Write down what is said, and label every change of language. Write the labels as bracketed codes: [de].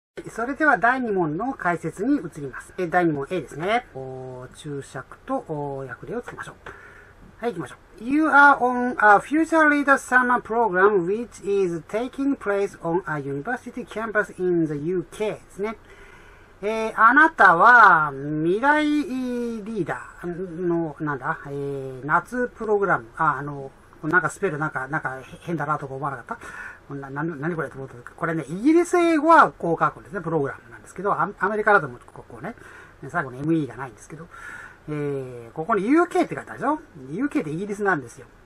[ja] それでは第2問の解説に移ります。第2問 A ですね。注釈と訳例をつけましょう。はい、行きましょう。 [en] You are on a future leader summer program which is taking place on a university campus in the UK [ja] ですね。あなたは未来リーダーの、なんだ、夏プログラム、なんかスペルなんか変だなとか思わなかった？何これと思ったこれね、イギリス英語はこう書くんですね、プログラムなんですけど、アメリカだともこうね、最後の ME がないんですけど、ここに UK って書いてあるでしょ？ UK ってイギリスなんですよ。